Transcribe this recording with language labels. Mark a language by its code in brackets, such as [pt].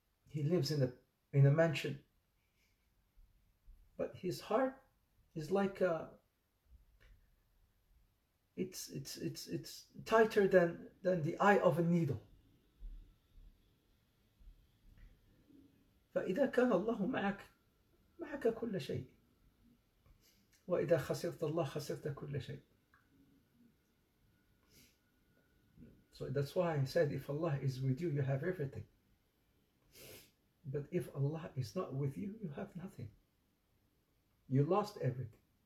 [en] He lives in a mansion. But his heart is like it's tighter than the eye of a needle. [ar] فإذا كان الله معك معك كل شيء، وإذا خسرت الله خسرت كل شيء. [en] So that's why I said if Allah is with you, you have everything. But if Allah is not with you, you have nothing. You lost everything.